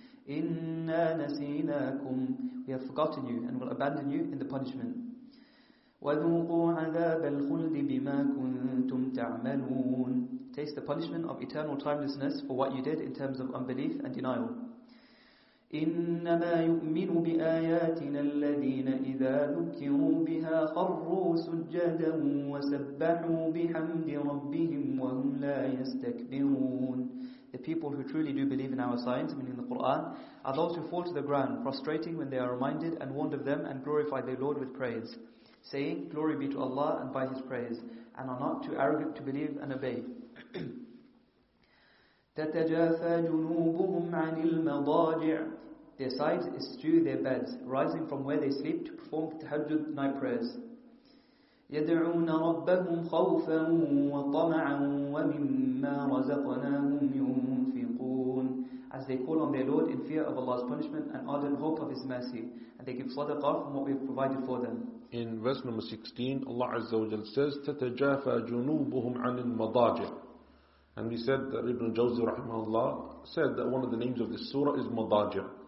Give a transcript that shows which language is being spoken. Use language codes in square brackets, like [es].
[ar] إِنَّا نَسِيْنَاكُمْ. [en] We have forgotten you and will abandon you in the punishment. [ar] وَذُوقُوا عَذَابَ الْخُلْدِ بِمَا كُنْتُمْ تَعْمَلُونَ. [en] Taste the punishment of eternal timelessness for what you did in terms of unbelief and denial. [ar] إنما يؤمن بآياتنا الذين إذا ذكروا بها خروا سجدا وسبحوا بحمد ربهم وهم لا يستكبرون. [en] The people who truly do believe in our signs, meaning the Quran, are those who fall to the ground, prostrating when they are reminded and warned of them, and glorify their Lord with praise, saying, "Glory be to Allah and by His praise," and are not too arrogant to believe and obey. [ar] تتجافى جنوبهم عن المضاجع. [en] Their sides eschew their beds, rising from where they sleep to perform tahajjud night prayers. [ar] يدعون ربهم خوفا وطمعا ومما رزقناهم ينفقون. [en] As they call on their Lord in fear of Allah's punishment and ardent hope of His mercy, and they give sadaqah from what we have provided for them. In verse number 16, Allah Azza wa Jal says, [ar] تتجافى جنوبهم عن المضاجع. [en] And we said that Ibn Jawzi rahimahullah said that one of the names of this surah is Madajir.